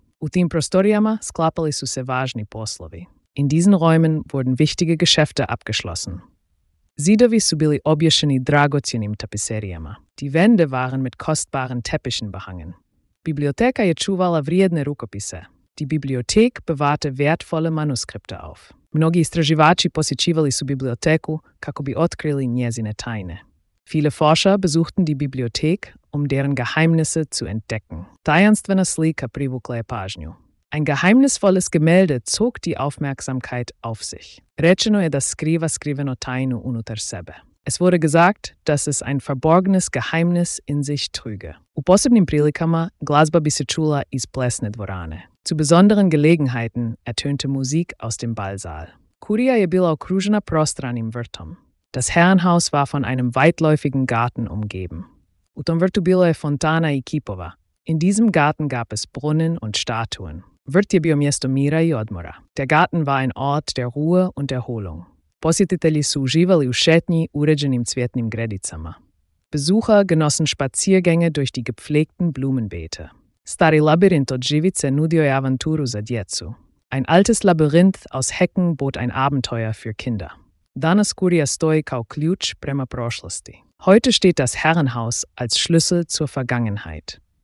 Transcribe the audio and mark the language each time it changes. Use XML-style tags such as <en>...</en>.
<hr>U tim prostorijama sklapali su se važni poslovi.</hr> <de>In diesen Räumen wurden wichtige Geschäfte abgeschlossen.</de> <hr>Zidovi su bili obješeni dragocjenim tapiserijama.</hr> <de>Die Wände waren mit kostbaren Teppichen behangen.</de> <hr>Biblioteka je čuvala vrijedne rukopise.</hr> <de>Die Bibliothek bewahrte wertvolle Manuskripte auf.</de> <hr>Mnogi istraživači posjećivali su biblioteku kako bi otkrili njezine tajne.</hr> <de>Viele Forscher besuchten die Bibliothek, um deren Geheimnisse zu entdecken.</de> <hr>Tajanstvena slika privukla je pažnju.</hr> <de>Ein geheimnisvolles Gemälde zog die Aufmerksamkeit auf sich.</de> <hr>Rečeno je da skriva skriveno tajnu unutar sebe.</hr> <de>Es wurde gesagt, dass es ein verborgenes Geheimnis in sich trüge.</de> <hr>U posebnim prilikama glazba bi se čula iz plesne dvorane.</hr> <de>Zu besonderen Gelegenheiten ertönte Musik aus dem Ballsaal.</de> <hr>Kurija je bila okružena prostranim vrtom.</hr> <de>Das Herrenhaus war von einem weitläufigen Garten umgeben.</de> <hr>U tom vrtu bilo je fontana i kipova.</hr> <de>In diesem Garten gab es Brunnen und Statuen.</de> <hr>Vrt je bio mjesto mira i odmora.</hr> <de>Der Garten war ein Ort der Ruhe und Erholung.</de> <hr>Posjetitelji su uživali u šetnji uređenim cvjetnim gredicama.</hr> <de>Besucher genossen Spaziergänge durch die gepflegten Blumenbeete.</de> <hr>Stari Labyrinth od živice nudio je avanturu za djecu.</hr> <de>Ein altes Labyrinth aus Hecken bot ein Abenteuer für Kinder.</de> <hr>Danas kurija stoji kao ključ prema prošlosti.</hr> <de>Heute steht das Herrenhaus als Schlüssel zur Vergangenheit.</de>